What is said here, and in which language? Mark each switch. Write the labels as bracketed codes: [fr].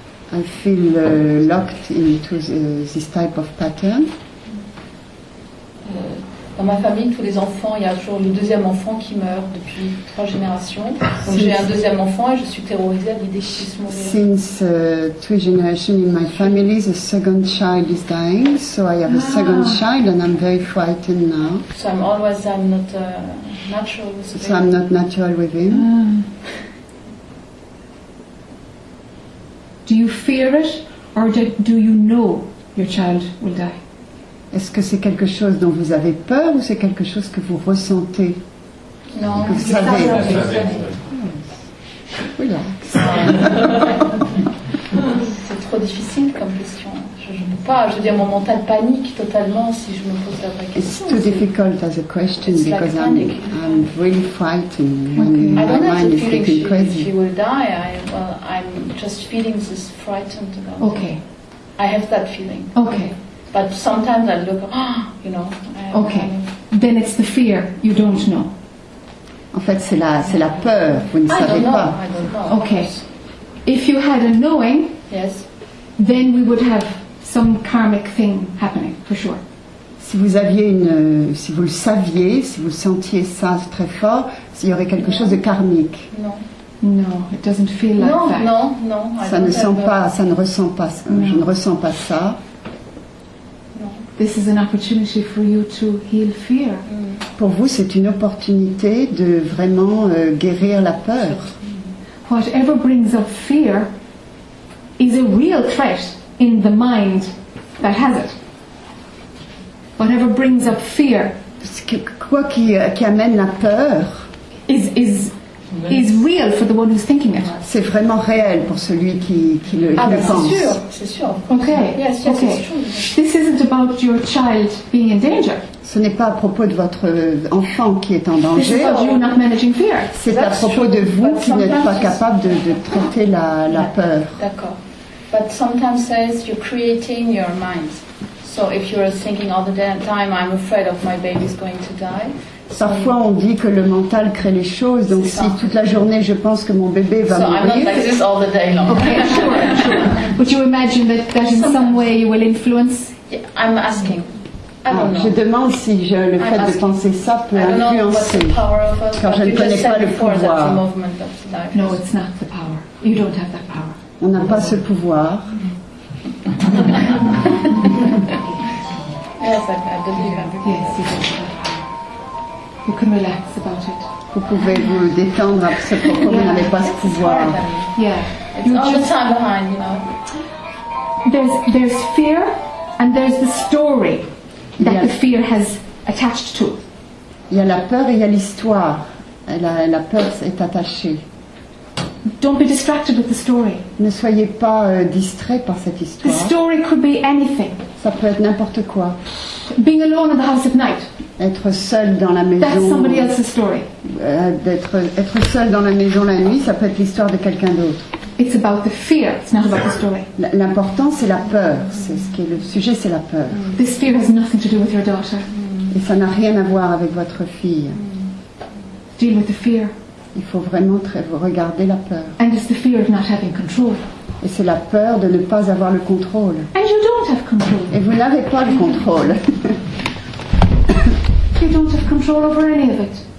[en] I feel locked into this type of pattern. [fr] Dans ma famille, tous les enfants, il y a toujours le deuxième enfant qui meurt depuis trois générations. Donc j'ai un deuxième enfant et je suis terrorisée à l'idée qu'il puisse mourir. [en] Since three generations in my family, the second child is dying, so I have a second child and I'm very frightened now. So I'm not natural with him. So I'm not natural with him. Do you fear it or do you know your child will die? [fr] Est-ce que c'est quelque chose dont vous avez peur ou c'est quelque chose que vous ressentez? Non, que vous savez. [en] Relax. [fr] C'est trop difficile comme question. Je ne peux pas. Je veux dire, mon mental panique totalement si je me pose la vraie question. [en] It's too difficult as a question it's because I'm really frightened when my mind is getting crazy. If she will die, I'm just feeling this frightened about. Okay. I have that feeling. Okay. But sometimes I look, okay. Then it's the fear. You don't know. [fr] En fait, c'est la peur. Vous ne savez pas. [en] I don't know. Okay. If you had a knowing, yes, then we would have some karmic thing happening for sure. [fr] Si vous aviez si vous le saviez, si vous sentiez ça très fort, il y aurait quelque chose de karmique. Non, [en] it doesn't feel like [fr] non, [en] that. [fr] Non. Ça ne ressent pas. Je ne ressens pas ça. [en] This is an opportunity for you to heal fear. [fr] Pour vous, c'est une opportunité de vraiment guérir la peur. [en] Whatever brings up fear is a real threat in the mind that has it. Whatever brings up fear, [fr] quoi qui amène la peur, [en] is real for the one who's thinking it. [fr] C'est vraiment réel pour celui qui le pense. Ah, c'est sûr. [en] Okay. Yes, okay. It's true. This isn't about your child being in danger. [fr] Ce n'est pas à propos de votre enfant qui est en danger. [en] This is about you not managing fear. [fr] C'est [en] That's [fr] à propos [en] true. [fr] De vous qui n'êtes pas capable de traiter la peur. [en] D'accord. But sometimes says you're creating your mind. So if you're thinking all the time, I'm afraid of my baby's going to die. [fr] Parfois on dit que le mental crée les choses, donc si toute la journée je pense que mon bébé va mourir. [en] So I'm not like this all the day long. Okay, sure. Would you imagine that in some way you will influence? Yeah, I'm asking. [fr] Je demande si le fait de penser ça peut influencer. Car je ne connais pas le pouvoir. [en] No, it's not the power. You don't have that power. [fr] On n'a pas ce pouvoir. [en] Yes, I believe. Yes, you can relax about it. [fr] Vous pouvez vous détendre à ce propos, vous n'avez pas ce pouvoir. [en] Yeah. It's all the time behind, you know. There's fear and there's the story that the fear has attached to. [fr] Il y a la peur et il y a l'histoire. La peur est attachée. [en] Don't be distracted with the story. [fr] Ne soyez pas distrait par cette histoire. [en] The story could be anything. [fr] Ça peut être n'importe quoi. [en] Being alone in the house at night. [fr] Être seul dans la maison. [en] That's somebody else's story. [fr] Être seul dans la maison la nuit, ça peut être l'histoire de quelqu'un d'autre. [en] It's about the fear. It's not about the story. [fr] L'important c'est la peur. C'est ce qui est le sujet, c'est la peur. [en] This fear has nothing to do with your daughter. [fr] Et ça n'a rien à voir avec votre fille. [en] Deal with the fear. [fr] Il faut vraiment regarder la peur. [en] And it's the fear of not having control. [fr] Et c'est la peur de ne pas avoir le contrôle. [en] And you don't have control. [fr] Et vous n'avez pas le contrôle. [en] You don't have control over any of it.